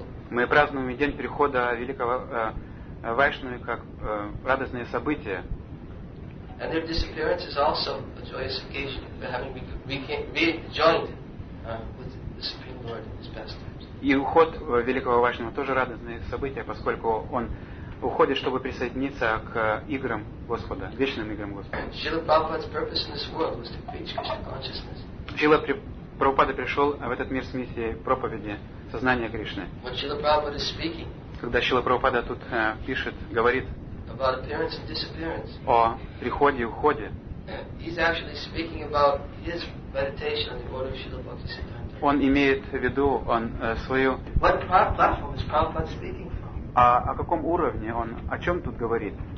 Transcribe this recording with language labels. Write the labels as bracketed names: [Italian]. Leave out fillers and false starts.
[Russian] Мы празднуем день прихода великого Вайшнавы как радостное событие. [English] And their disappearance is also a joyous occasion for having rejoined with the Supreme Lord in his pastimes. [Russian] И уход великого Вайшнава тоже радостное событие, поскольку он уходит, чтобы присоединиться к играм Господа, вечным играм Господа. [English] Srila Prabhupada's purpose in this world was to preach Krishna consciousness. [Russian] Srila Prabhupada пришел в этот мир с миссией проповеди сознания Кришны. [English] When Srila Prabhupada is speaking, [Russian] когда Srila Prabhupada тут пишет, говорит [English] about appearance and disappearance, [Russian] о приходе и уходе, [English] he's actually speaking about his meditation on the order of Srila Bhaktisiddhanta. [Russian] Он имеет в виду он свою. [English] What platform is Prabhupada speaking? [Russian] А о каком уровне он, о чем тут говорит?